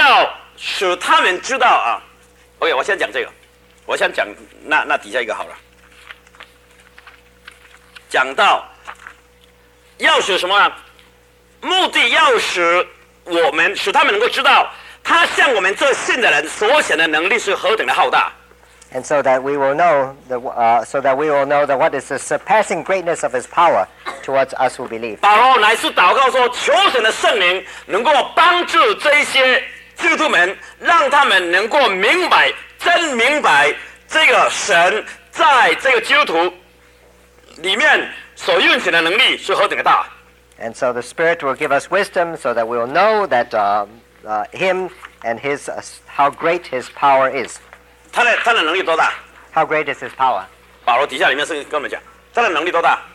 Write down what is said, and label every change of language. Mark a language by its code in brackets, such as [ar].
[zh] 好。那这里啊，乃是要使他们知道啊。Okay, 我先讲这个。我先讲那底下一个好了。讲到要使什么？目的要使我们使他们能够知道，他向我们这信的人所显的能力是何等的浩大。 [en] And so that we will know that what is the surpassing greatness of his power towards us who believe. [zh] 保罗乃是祷告说，求神的圣灵能够帮助这些基督徒们，让他们能够明白。真明白这个神在这个基督徒里面所运行的能力是何等的大。 [en] And so the Spirit will give us wisdom so that we will know that him and his, how great his power is. [zh] 他的能力多大? [en] How great is his power? [zh] 保罗底下里面是跟我们讲,他的能力多大?